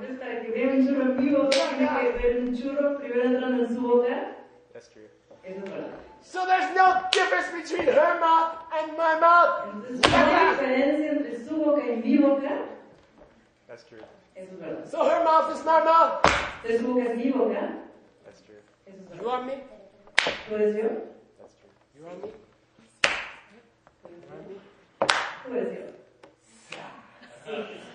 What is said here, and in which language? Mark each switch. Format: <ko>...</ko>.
<es>Entonces, para que vea un churro en mi boca, tiene que ver un churro primero entrando en su boca.</es> <en>That's true.</en> <es>Es verdad.</es> <en>So there's no difference between her mouth and my mouth.</en> <es>Entonces, ¿hay diferencia entre su boca y mi boca?</es> <en>That's true. So her mouth is my mouth.</en> <es>Su boca es mi boca.</es> <en>That's true. You are me.</en> <es>Tú eres yo.</es> <en>That's true. You are me.</en> <es>Tú eres yo.</es>